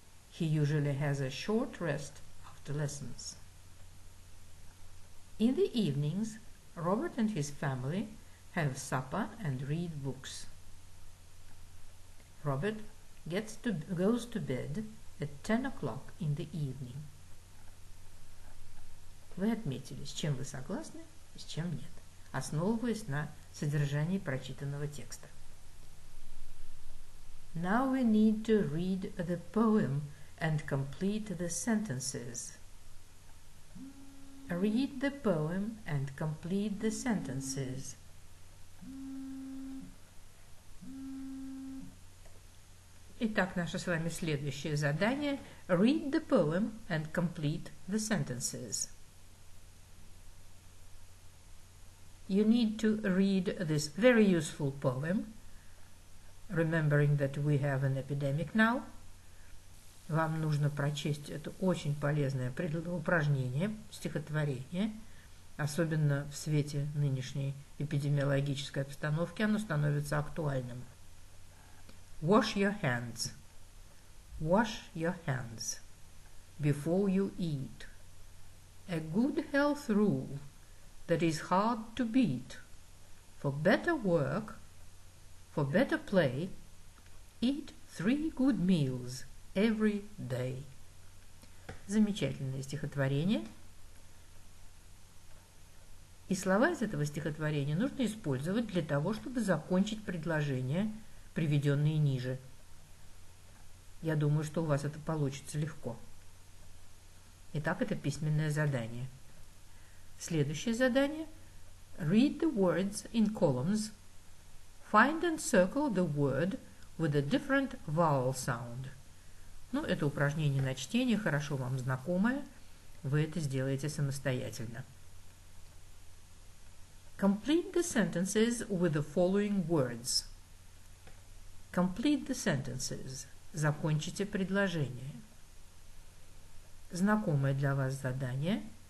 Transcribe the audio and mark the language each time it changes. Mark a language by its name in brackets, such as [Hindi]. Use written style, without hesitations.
[English] He usually has a short rest after lessons. In the evenings, Robert and his family have supper and read books. Robert goes to bed at 10 o'clock in the evening. [Russian] Вы отметили, с чем вы согласны, с чем нет, основываясь на содержании прочитанного текста. [English] Now we need to read the poem and complete the sentences. Read the poem and complete the sentences. [Russian] Итак, наше с вами следующее задание. [English] Read the poem and complete the sentences. You need to read this very useful poem, remembering that we have an epidemic now. [Russian] Вам нужно прочесть это очень полезное упражнение, стихотворение, особенно в свете нынешней эпидемиологической обстановки, оно становится актуальным. [English] Wash your hands. Wash your hands before you eat. A good health rule that is hard to beat. For better work, for better play, eat 3 good meals every day. [Russian] Замечательное стихотворение. И слова из этого стихотворения нужно использовать для того, чтобы закончить предложение, приведенные ниже. Я думаю, что у вас это получится легко. Итак, это письменное задание. Следующее задание. [English] Read the words in columns. Find and circle the word with a different vowel sound. [Russian] Ну, это упражнение на чтение, хорошо вам знакомое. Вы это сделаете самостоятельно. [English] Complete the sentences with the following words. Complete the sentences. [Russian] Закончите предложение. Знакомое для вас задание.